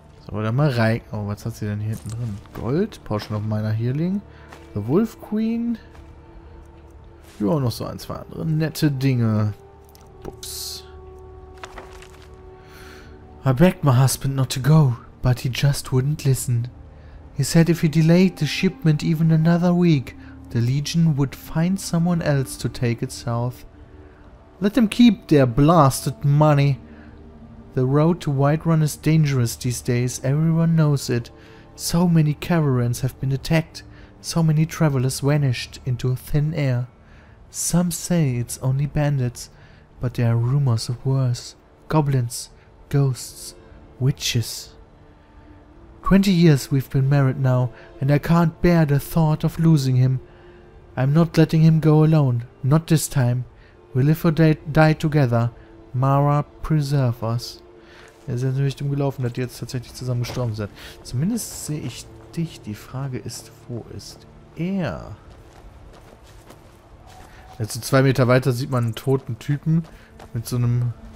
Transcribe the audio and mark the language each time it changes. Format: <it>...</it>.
<de>So, da mal rein. Oh, was hat sie denn hier hinten drin? Gold, Potion of Minor Healing. The Wolf Queen. Ja, noch so ein, zwei andere nette Dinge. Ups.</de> <en>I begged my husband not to go, but he just wouldn't listen. He said if he delayed the shipment even another week, the Legion would find someone else to take it south. Let them keep their blasted money. The road to Whiterun is dangerous these days, everyone knows it. So many caravans have been attacked, so many travelers vanished into thin air. Some say it's only bandits, but there are rumors of worse. Goblins, ghosts, witches. 20 years we've been married now, and I can't bear the thought of losing him. I'm not letting him go alone, not this time. We live or die together. Mara, preserve us.</en> <de>Er ist natürlich dumm gelaufen, dass die jetzt tatsächlich zusammen gestorben sind. Zumindest sehe ich dich. Die Frage ist, wo ist er? Jetzt so 2 Meter weiter sieht man einen toten Typen mit so einem...</de>